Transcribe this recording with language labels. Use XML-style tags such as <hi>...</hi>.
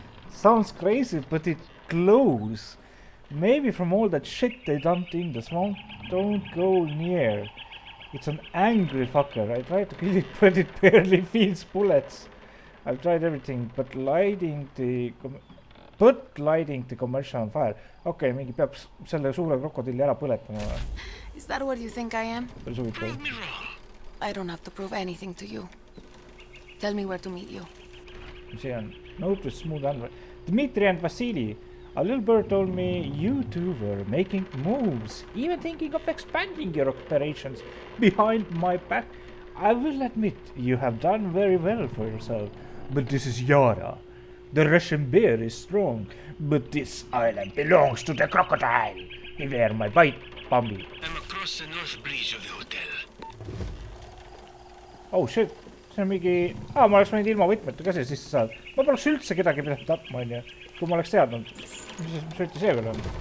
<en>Sounds crazy, but it glows. Maybe from all that shit they dumped in the swamp. Don't go near. It's an angry fucker. I tried to kill it, but it barely feels bullets. I've tried everything, but lighting the commercial on fire.</en> <et>Okay, mingi peab selle suure crocodile ära põletama.</et> <en>Is that what you think I am? Prove me wrong. I don't have to prove anything to you. Tell me where to meet you.</en> <et>See on,</et> <en>note is smooth and... Dmitri and Vasily, a little bird told me you two were making moves, even thinking of expanding your operations behind my back. I will admit, you have done very well for yourself, but this is Yara. The Russian bear is strong, but this island belongs to the crocodile. Beware my bite, Bambi. I'm across the north bridge of the hotel. Oh shit,</en> <et>see on mingi... Ah, ma oleks mõinud ilma võtmetu käse sisse saada. Ma poleks üldse kedagi pidanud tapma, onju. Kui ma oleks teadnud, mis võtti see veel on.</et>